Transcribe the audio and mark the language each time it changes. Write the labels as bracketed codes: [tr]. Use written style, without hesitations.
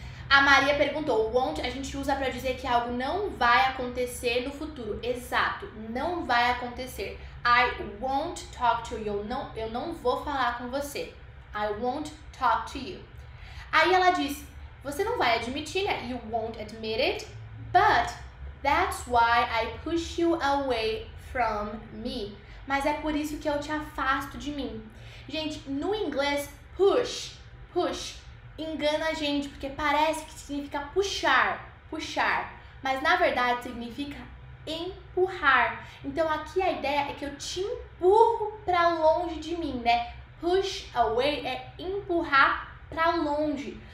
[pt] A Maria perguntou, won't a gente usa para dizer que algo não vai acontecer no futuro. Exato, não vai acontecer. [en] I won't talk to you. [pt] Eu não vou falar com você. [en] I won't talk to you. [pt] Aí ela diz, você não vai admitir, né? [en] You won't admit it, but that's why I push you away from me. [pt] Mas é por isso que eu te afasto de mim. Gente, no inglês, push. Engana a gente, porque parece que significa puxar, mas na verdade significa empurrar. Então aqui a ideia é que eu te empurro pra longe de mim, né? Push away é empurrar pra longe.